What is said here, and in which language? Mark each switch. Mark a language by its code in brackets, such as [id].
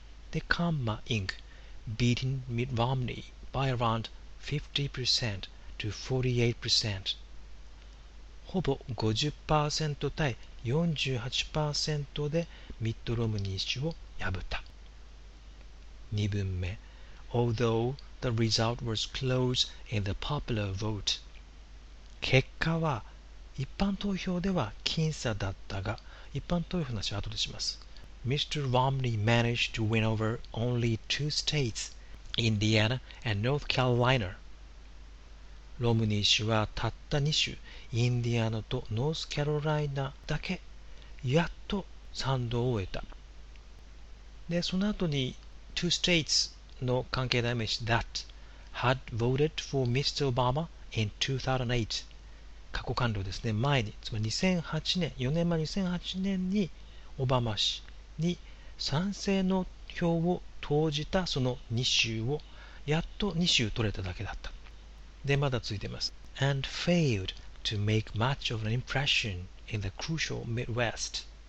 [ja] で、カンマ・インク、 [en] beating Mitt Romney by around 50% to 48%。 [ja] ほぼ 50% 対 48% でミッド・ロムニー氏を破った。 2文目。 [en] Although the result was close in the popular vote. [ja] 結果は一般投票では僅差だったが、一般投票の話は後でします。 [en] Mr. Romney managed to win over only two states, Indiana and North Carolina. [ja] ロムニー氏はたった2州、インディアナとノースカロライナだけ、やっと賛同を得た。で、その後に、 [en] two states [ja] の関係代名詞 [en] that had voted for Mr. Obama in 2008。 [ja] 過去完了ですね、前に、つまり2008年、4年前2008年に、オバマ氏に賛成の票を投じたその2州を、やっと2州取れただけだった。で、まだ続いてます。 [en] And failed to make much of an impression in the crucial Midwest.